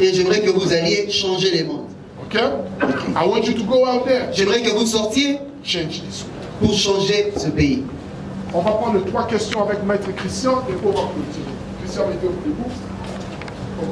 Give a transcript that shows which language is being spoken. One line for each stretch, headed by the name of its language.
French: Et j'aimerais que vous alliez changer le monde.
English: Okay? I want you to go out there.
French: J'aimerais que vous sortiez.
English: Change this world.
French: pour changer ce pays. On va prendre trois questions avec Maître Christian et pour voir que Christian était au plus bout.